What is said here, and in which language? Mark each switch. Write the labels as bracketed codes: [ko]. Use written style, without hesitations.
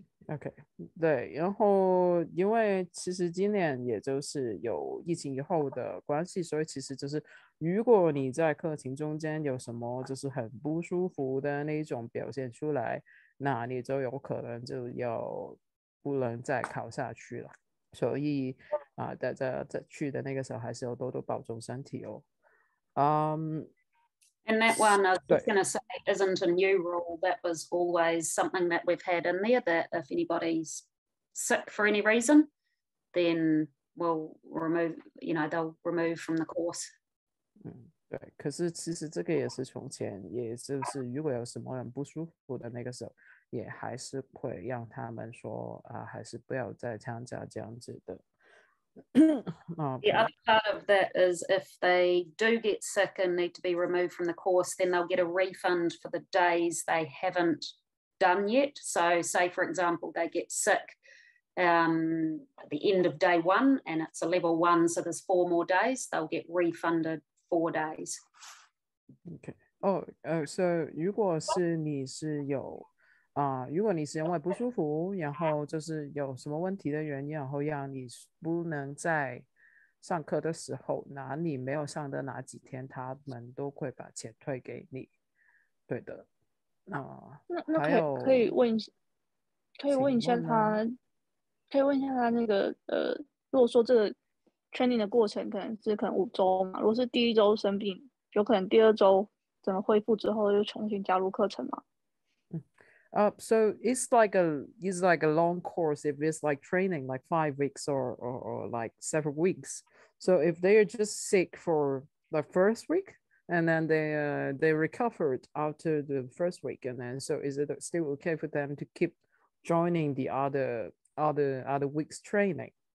[zh] OK, 对，然后因为其实今年也就是有疫情以后的关系，所以其实就是如果你在课程中间有什么就是很不舒服的那种表现出来，那你就有可能就要不能再考下去了，所以大家在去的那个时候还是要多多保重身体哦。 [en] And that one, I was going to say, isn't a new rule. That was always something that we've had in there, that if anybody's sick for any reason, then we'll remove, you know, they'll remove from the course. [zh] 对，可是其实这个也是从前，也就是如果有什么人不舒服的那个时候，也还是会让他们说，还是不要再参加这样子的。 [en] The other part of that is if they do get sick and need to be removed from the course, then they'll get a refund for the days they haven't done yet. So say, for example, they get sick at the end of day one and it's a level one, so there's four more days, they'll get refunded 4 days. Okay. Oh, so [zh] 如果是你是有如果你是因为不舒服，然后就是有什么问题的原因，然后让你不能在上课的时候，那你没有上的哪几天，他们都会把钱退给你。对的。那可以问一下他那个如果说这个 training 的过程可能五周嘛，如果是第一周生病，有可能第二周怎么恢复之后又重新加入课程吗？ [en] So it's like a long course. If it's like training, like 5 weeks or like several weeks. So if they are just sick for the first week, and then they recovered after the first week, and then so is it still okay for them to keep joining the other weeks training?